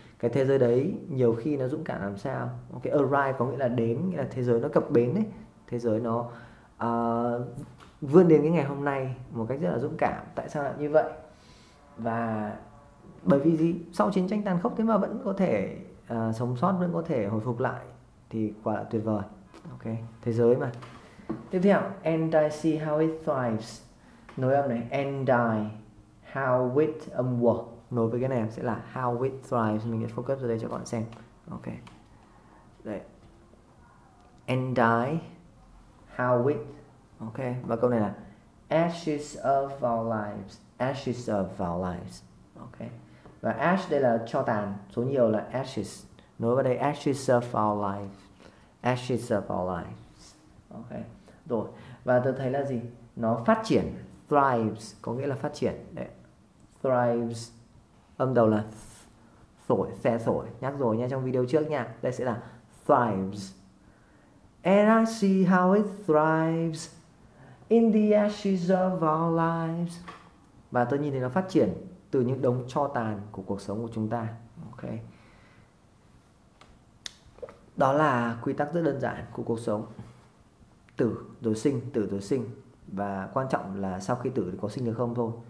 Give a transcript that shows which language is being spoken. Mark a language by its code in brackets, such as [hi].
[vi] Cái thế giới đấy nhiều khi nó dũng cảm làm sao. Ok, arrive có nghĩa là đến, nghĩa là thế giới nó cập bến ấy. Thế giới nó vươn đến cái ngày hôm nay một cách rất là dũng cảm. Tại sao lại như vậy? Và bởi vì gì? Sau chiến tranh tàn khốc thế mà vẫn có thể sống sót, vẫn có thể hồi phục lại thì quả là tuyệt vời. Ok, thế giới mà. Tiếp theo, [en] and I see how it thrives. [vi] Nối âm này, [en] and I, how it, [vi] âm w, nối với cái này sẽ là [en] how it thrives. [vi] Mình sẽ focus vào đây cho các bạn xem. Ok, đây, [en] and I, how it. [vi] Ok, và câu này là [en] ashes of our lives. Ashes of our lives. Ok. [vi] Và ash đây là cho tàn, số nhiều là ashes. Nối vào đây, [en] ashes of our lives. Ashes of our lives. Ok. [vi] Rồi. Và tôi thấy là gì? Nó phát triển. Thrives có nghĩa là phát triển. Đấy. Thrives. Âm đầu là thổi, xe thổi. Nhắc rồi nha, trong video trước nha. Đây sẽ là thrives. [en] And I see how it thrives in the ashes of our lives. [vi] Và tôi nhìn thấy nó phát triển từ những đống tro tàn của cuộc sống của chúng ta. Ok. Đó là quy tắc rất đơn giản của cuộc sống. tử rồi sinh, và quan trọng là sau khi tử thì có sinh được không thôi.